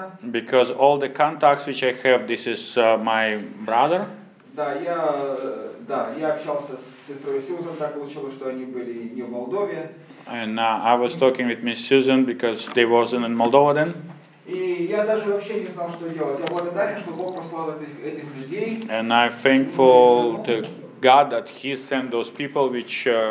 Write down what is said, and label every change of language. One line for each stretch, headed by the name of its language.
English: Because all the contacts which I have, this is my brother. And I was talking with Miss Susan because they wasn't in Moldova then.
Russian: И я даже вообще не знал, что делать. Я благодарен, что Бог послал этих людей.
English: And I'm thankful to God that He sent those people, which